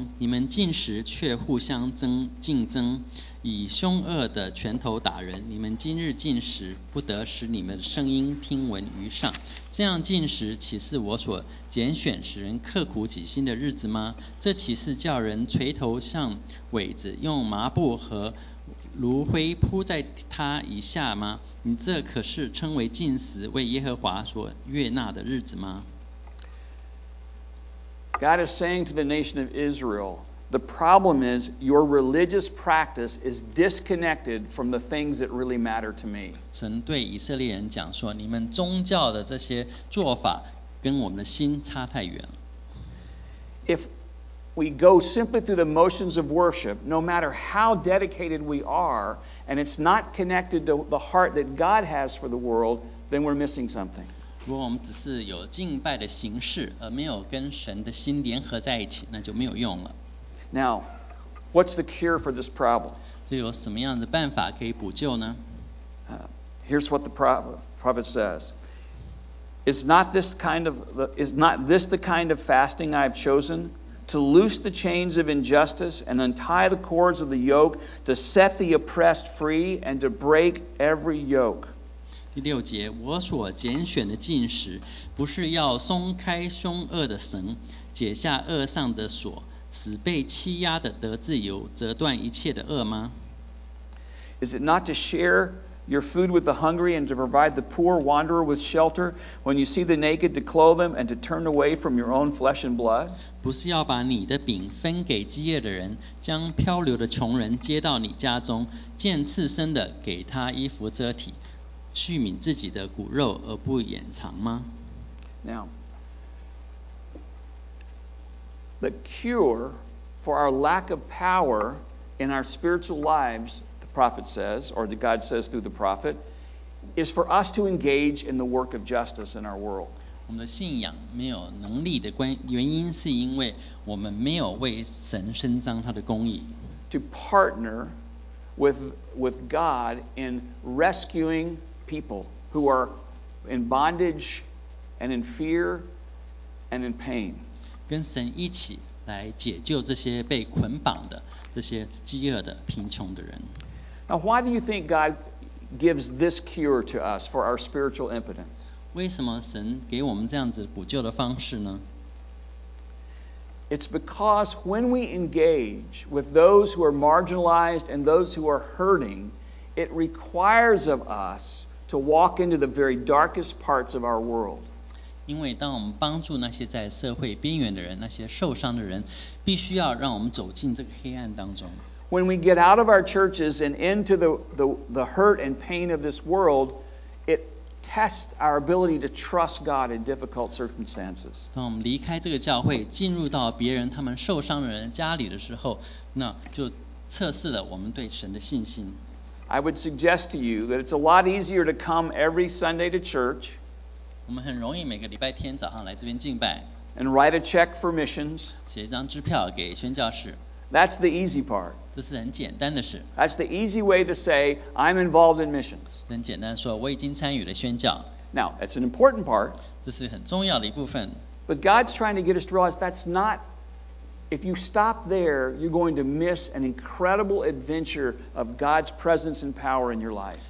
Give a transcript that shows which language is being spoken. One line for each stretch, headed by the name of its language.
Chinese: 从第三节后半段开始，你们进食的日子，仍求利益，乐逼人为你们做苦工。你们进食却互相竞争。以凶恶的拳头打人，你们今日进食，不得使你们声音听闻于上。这样进食，岂是我所拣选使人刻苦己心的日子吗？这岂是叫人垂头向苇子，用麻布和炉灰铺在他以下吗？你这可是称为进食，为耶和华所悦纳的日子吗？
English: God is saying to the nation of Israel, The problem is your religious practice is disconnected from the things that really matter to me.
Chinese: 神对以色列人讲说, 你们宗教的这些做法, 跟我们的心差太远。
English: If we go simply through the motions of worship, no matter how dedicated we are, and it's not connected to the heart that God has for the world, then we're missing something.
Chinese: 如果我们只是有敬拜的形式，而没有跟神的心联合在一起，那就没有用了。
English: Now, what's the cure for this problem?
Chinese: 就有什么样的办法可以补救呢？
English: Here's what the prophet says. Is not this the kind of fasting I've chosen? To loose the chains of injustice and untie the cords of the yoke, to set the oppressed free and to break every yoke.
Chinese: 第六节，我所拣选的禁食，不是要松开凶恶的绳，解下恶上的锁，使被欺压的得自由，折断一切的恶吗？
English: Is it not to share your food with the hungry and to provide the poor wanderer with shelter when you see the naked to clothe them and to turn away from your own flesh and blood?
Chinese: 不是要把你的饼分给饥饿的人，将漂流的穷人接到你家中，见赤身的给他衣服遮体，恤悯自己的骨肉而不掩藏吗？
English: Now, the cure for our lack of power in our spiritual lives,Prophet says, or that God says through the prophet, is for us to engage in the work of justice in our world.
Chinese: 我们的信仰没有能力的原因是因为我们没有为神伸张他的公义。
English: To partner with God in rescuing people who are in bondage and in fear and in pain.
Chinese: 跟神一起来解救这些被捆绑的、这些饥饿的、贫穷的人。
English: Now, why do you think God gives this cure to us for our spiritual impotence?
Chinese: 为什么神给我们这样子补救的方式呢？
English: It's because when we engage with those who are marginalized and those who are hurting, it requires of us to walk into the very darkest parts of our world.
Chinese: 因为当我们帮助那些在社会边缘的人、那些受伤的人，必须要让我们走进这个黑暗当中。
English: When we get out of our churches and into the hurt and pain of this world, it tests our ability to trust God in difficult circumstances.
Chinese: 当我们离开这个教会，进入到别人他们受伤的人家里的时候，那就测试了我们对神的信心。
English: I would suggest to you that it's a lot easier to come every Sunday to church.
Chinese: 我们很容易每个礼拜天早上来这边敬拜。
English: And write a check for missions.
Chinese: 写一张支票给宣教士。
English: That's the easy part.
Chinese: 这是很简单的事。
English: That's the easy way to say, I'm involved in missions.
Chinese: 很简单说，我已经参与了宣教。
English: Now, it's an important part.
Chinese: 这是很重要的一部分。
English: But God's trying to get us to realize that's not, if you stop there, you're going to miss an incredible adventure of God's presence and power in your life.